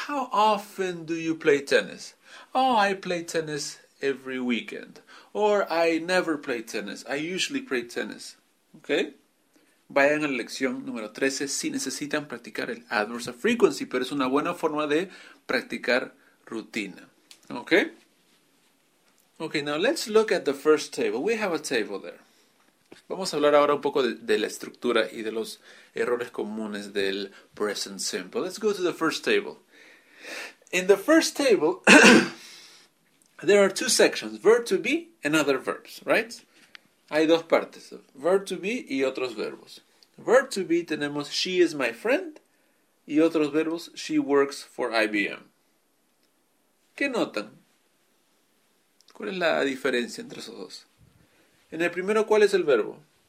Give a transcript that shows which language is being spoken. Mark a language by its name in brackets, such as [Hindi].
[English] How often do you play tennis? Oh, I play tennis every weekend. Or I never play tennis. I usually play tennis. Ok. [Spanish] Vayan a la lección número 13 si necesitan practicar el adverbs of frequency, pero es una buena forma de practicar rutina. ¿Ok? [English] Ok, now let's look at the first table. We have a table there. [Spanish] Vamos a hablar ahora un poco de la estructura y de los errores comunes del present simple. [English] Let's go to the first table. In the first table, there are two sections, verb to be and other verbs, right? [Spanish] Hay dos partes, verb to be y otros verbos. Verb to be tenemos [English] she is my friend [Spanish] y otros verbos [English] she works for IBM. [Spanish] ¿Qué notan? ¿Cuál es la diferencia entre esos dos? En el primero, ¿cuál es el verbo?